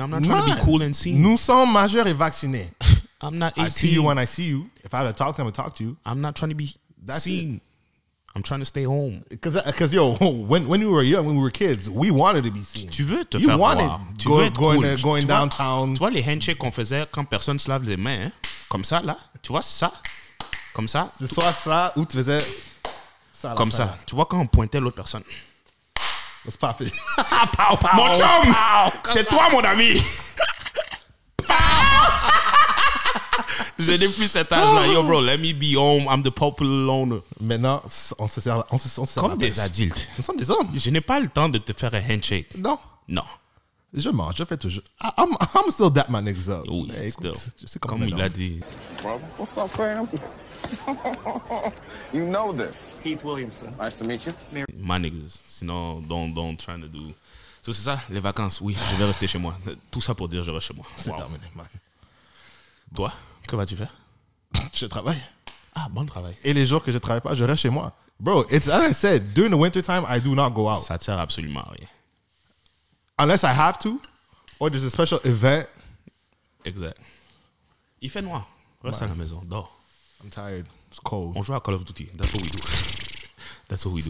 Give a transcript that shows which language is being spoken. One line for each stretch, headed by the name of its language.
English: I'm not trying to be cool and seen.
French: Nous sommes majeurs et vaccinés.
English: I'm not 18. I see you when I see you. If I had to talk to him, I would talk to you. I'm not trying to be seen. I'm trying to stay home. Because, yo, when we were young, when we were kids, we wanted to be seen.
French: Tu veux te faire voir.
English: You wanted going downtown.
French: Tu vois les handshakes qu'on faisait quand personne se lave les mains. Comme ça, là. Tu vois ça. Comme ça. C'est soit ça ou tu faisais... Ça, comme ça. Tu vois quand on pointait l'autre personne. C'est parfait. Pow, pow, mon chum, pow, c'est ça. Toi, mon ami. Je n'ai plus cet âge-là.
English: Yo, bro, let me be home. I'm the popular loner.
French: Maintenant, on se sert comme des adultes. Nous sommes des hommes. Je n'ai pas le temps de te faire un handshake. Non. Non. Je mange, je fais toujours.
English: I'm still that man,
French: exact. Oui, hey, écoute, still. Je sais comme il l'a dit.
English: What's up, fam? You know this. Keith Williamson. Nice to meet you.
French: My niggas. Sinon,
English: don't trying to do.
French: So, c'est ça, les vacances. Oui, je vais rester chez moi. Tout ça pour dire je reste chez moi. C'est wow. Terminé, man. Toi, que vas-tu faire? Je travaille. Ah, bon travail. Et les jours que je travaille pas, je reste chez moi.
English: Bro, it's as I said, during the winter time, I do not go out.
French: Ça tire absolument à rien.
English: Unless I have to, or there's a special event.
French: Exact. Il fait noir. Reste à la maison. Dors.
English: I'm tired. It's cold.
French: On joue à Call of Duty.
English: That's what we do. That's what we do.